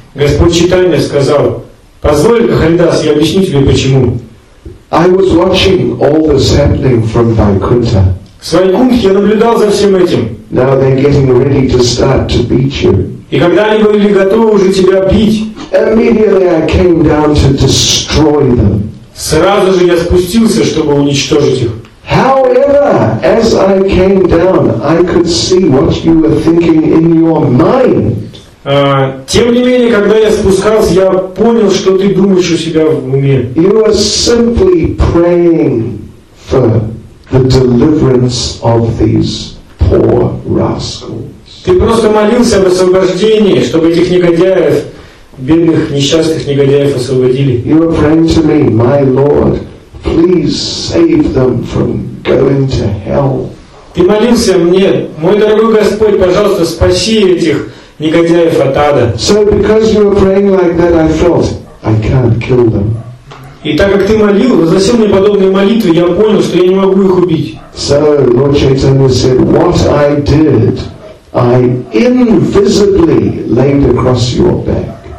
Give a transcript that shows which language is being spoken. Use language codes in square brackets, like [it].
[ru] Господь Чайтанья сказал, позволь, Харидас, я объясню тебе почему. [en] I was watching all this happening from Vaikuntha. [ru] В своей кунхе я наблюдал за всем этим. [en] Now they're getting ready to start to beat you. [ru] И когда они были готовы уже тебя бить, [en] immediately I came down to destroy them. [ru] Сразу же я спустился, чтобы уничтожить их. [en] However, as I came down, I could see what you were thinking in your mind. [ru] Тем не менее, когда я спускался, я понял, что ты думаешь у себя в уме. [en] You were simply praying for the deliverance of these poor rascals. [ru] Ты просто молился об освобождении, чтобы этих негодяев, бедных несчастных негодяев освободили. [en] You were praying to me, my Lord. Please save them from going to hell. [ru] Ты молился мне, мой дорогой Господь, пожалуйста, спаси этих негодяев от ада. [en] So because you were praying like that, I felt I can't kill them. [ru] И так как ты молил, возносил мне подобные молитвы, я понял, что я не могу их убить. [en] So Lord Chaitanya said, what I did, I invisibly laid across your back.